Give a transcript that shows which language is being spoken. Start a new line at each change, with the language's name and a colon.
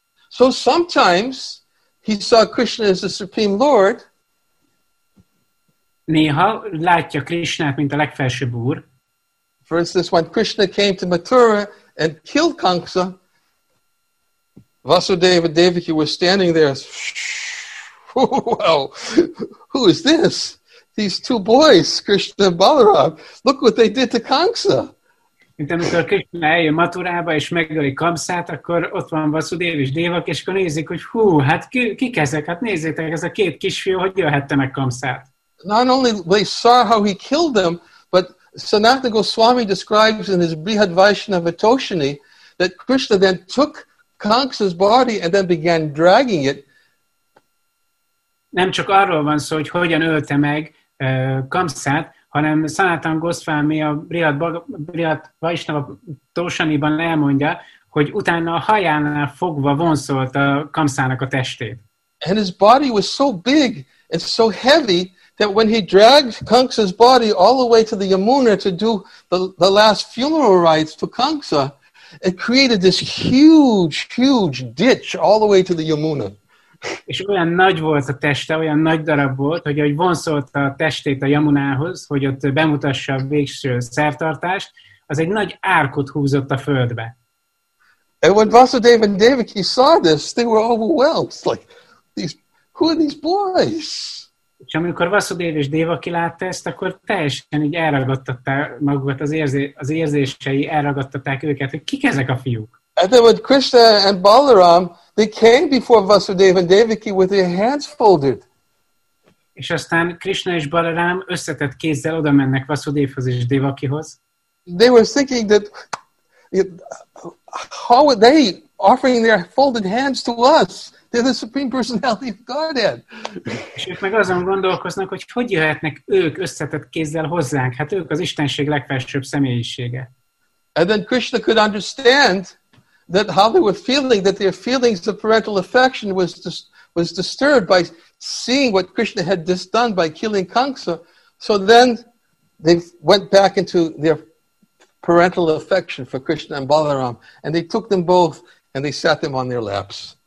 English: So sometimes he saw Krishna as the Supreme Lord,
Hungarian: néha látja Krishnát, mint a legfelsőbb úr.
English: For instance, when Krishna came to Mathura and killed Kamsa, Vasudeva Devaki was standing there. Wow, who is this? These two boys, Krishna and Balaram. Look what they did to Kamsa.
Hungarian: Mint amikor Krishna eljön Maturába és megöli Kamsát, akkor ott van Vasudev és Devak, és akkor nézik, hogy hú, hát kik ezek? Hát nézzétek, ez a két kisfiú, hogy jöhette meg Kamsát.
English: Not only they saw how he killed them, but Sanatana Goswami describes in his Brihad Vaishnava Toshini that Krishna then took Kamsa's body and then began dragging it.
Hungarian: Nem csak arról van szó, hogy hogyan ölte meg Kamsát, hanem Sanatan Goswami a Brihad Vaishnava Toshaniban elmondja, hogy utána a hajánál fogva vonszolt a Kamsának a testét.
English: And his body was so big and so heavy that when he dragged Kamsa's body all the way to the Yamuna to do the last funeral rites for Kamsa, it created this huge, huge ditch all the way to the Yamuna.
Hungarian: És olyan nagy volt a teste, olyan nagy darab volt, hogy ahogy vonszolta a testét a Yamunához, hogy ott bemutassa a végső szertartást, az egy nagy árkot húzott a földbe.
English: And when Vasudeva and Devaki saw this, they were overwhelmed. It's like, who are these boys?
Hungarian: És amikor Vasudev és Devaki látta ezt, akkor teljesen így elragadtatták magukat, az érzései elragadtatták őket, hogy kik ezek a fiúk.
English: And then with Krishna and Balaram, they came before Vasudev and Devaki with their hands folded.
Hungarian: És aztán Krishna és Balaram összetett kézzel oda mennek Vasudevhoz és Devakihoz.
English: They were thinking that, how are they offering their folded hands to us? They're the Supreme Personality of Godhead.
Hungarian: És ők meg azon gondolkoznak, hogy hogy jöhetnek ők összetett kézzel hozzánk. Hát ők az Istenség legfelsőbb személyisége.
English: And then Krishna could understand that how they were feeling, that their feelings of parental affection was disturbed by seeing what Krishna had just done by killing Kamsa. So then they went back into their parental affection for Krishna and Balaram, and they took them both and they sat them on their laps.